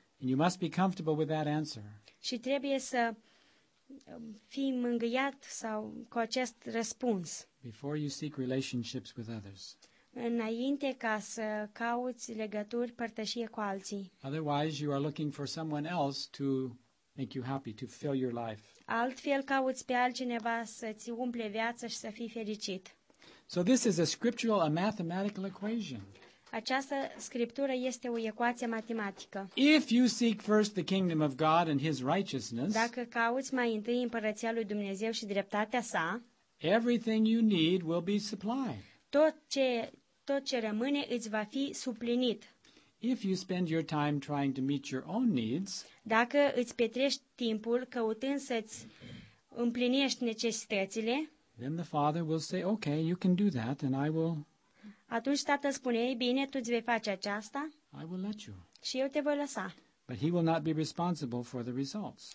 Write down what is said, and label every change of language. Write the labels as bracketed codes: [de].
[en] And you must be comfortable with that answer. [ro] Și trebuie să fii mângâiat sau cu acest răspuns. [en] Before you seek relationships with others. [ro] Înainte ca să cauți legături, părtășie cu alții. [en] Otherwise you are looking for someone else to make you happy, to fill your life. [ro] Altfel cauți pe altcineva să ți umple viața și să fii fericit. [en] So this is a scriptural, a mathematical equation. [ro] Această scriptură este o ecuație matematică. [en] If you seek first the kingdom of God and his righteousness, [ro] dacă cauți mai întâi împărăția lui Dumnezeu și dreptatea sa, [en] everything you need will be supplied. [ro] Tot ce rămâne îți va fi suplinit. [en] If you spend your time trying to meet your own needs, [ro] dacă îți petrești timpul căutând să-ți împlinești necesitățile, [en] then the Father will say, okay, you can do that and I will. [ro] Atunci Tatăl spune, ei bine, tu îți vei face aceasta. [en] I will let you. [ro] Și eu te voi lăsa. [en] But he will not be responsible for the results.